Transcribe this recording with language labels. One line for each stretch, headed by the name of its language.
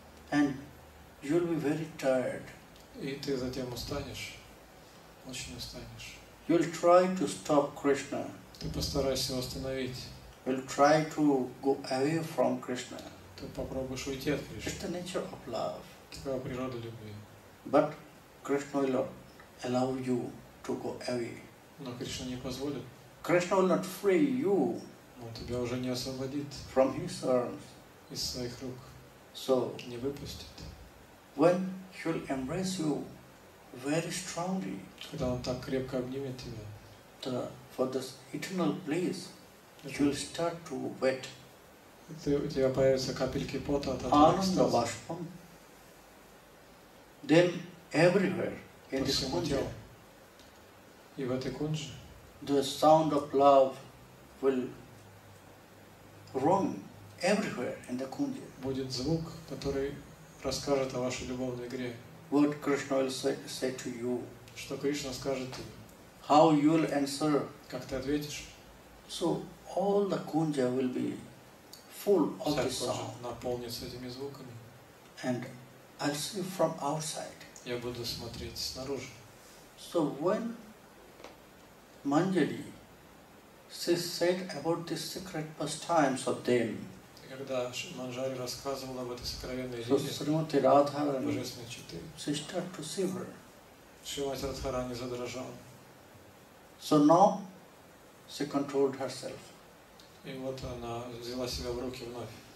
English: And you'll be very tired.
Russian: И ты затем устанешь, очень устанешь.
English: You'll try to stop Krishna.
Russian: Ты постарайся его остановить.
English: You'll try to go away from Krishna.
Russian: Ты попробуешь уйти от Кришны.
English: It's the nature of love.
Russian: Такова природа любви.
English: But Krishna will not allow you to go away.
Russian: Но Кришна не позволит.
English: Krishna will not free you.
Russian: Он тебя уже не освободит.
English: From his arms.
Russian: Из своих рук.
English: So.
Russian: Не выпустит.
English: When he'll embrace you very strongly.
Russian: Когда он так крепко обнимет тебя.
English: The, for this eternal place, you'll start to wet.
Russian: Ты, у тебя появятся капельки пота от этого экстаза.
English: Башпам. Then everywhere in this kundja.
Russian: И в этой кундже.
English: The sound of love will roam everywhere in the kundja.
Russian: Будет звук, который расскажет о вашей любовной игре.
English: What Krishna will say to you?
Russian: Что Кришна скажет тебе?
English: How you'll answer?
Russian: Как ты ответишь?
English: So all the kunja will be full of this song.
Russian: Вся кунжа наполнится этими звуками.
English: And I'll see from outside.
Russian: Я буду смотреть снаружи.
English: So when Manjari said about the secret pastimes of them.
Russian: Когда Манджари рассказывал об этой сокровенной жизни, божественной читы, Шримати Радхарани задрожала.
English: So now she controlled herself.
Russian: И вот она взяла себя в руки вновь.